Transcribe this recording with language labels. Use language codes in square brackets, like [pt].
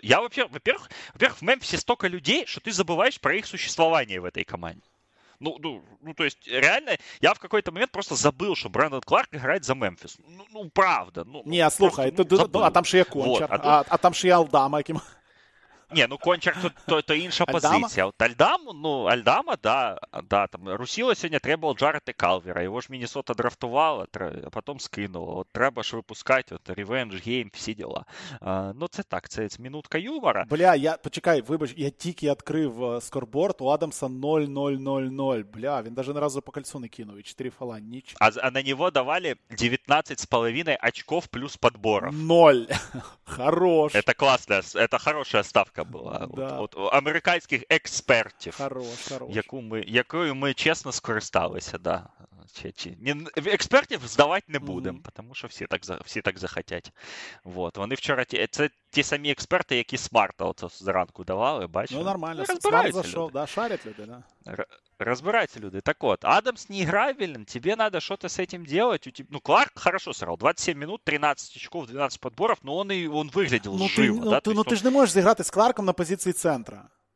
[ru] Я во-первых, в Мемфисе столько людей, что ты забываешь про их существование в этой команде. Ну, то есть, реально, я в какой-то момент просто забыл, что Брэндон Кларк играет за Мемфис. Ну правда. Ну, не, просто, [uk] слухай, [ru] ну, ты, а там же я Кончар, вот, а там же я Алдама, каким... [uk] Не, ну Кончар то інша позиція. От Альдаму, ну Альдама, да, да, там Русіло сьогодні треба Джарета Калвера. Його ж Міннесота драфтувала, а потім скинула. От треба ж випускати, от ревенж гейм, всі діла. Ну це так, це [ru] минутка юмора. [uk] Бля, я почекай, вибач, я тільки відкрив скорборд, у Адамса 0-0-0-0. Бля, він навіть не разу по кольцу не кинув, і 4 фала, ніч. А на нього давали 19,5 [ru] очков плюс подборов. Ноль. Хорош. Это класно, это хорошая ставка. [uk] Була. [ru] Да. [uk] От американських експертів. [ru] Хорош, хорош. [uk] Якою ми чесно скористалися, да. Експертів здавати не будемо, mm-hmm. тому що всі так захотять. Вот. Вони вчора це ті самі експерти, які Смарта оце зранку давали, бачили. Ну нормально, Смарт зайшов, да, шарять люди, да. [ru] Разбирайте, люди. Так вот, Адамс не играбелен, тебе надо что-то с этим делать. Ну, Кларк хорошо сыграл. 27 минут, 13 очков, 12 подборов, но он выглядел ну, живо. Ты, Ну, ты же не можешь заиграть с Кларком на позиции центра.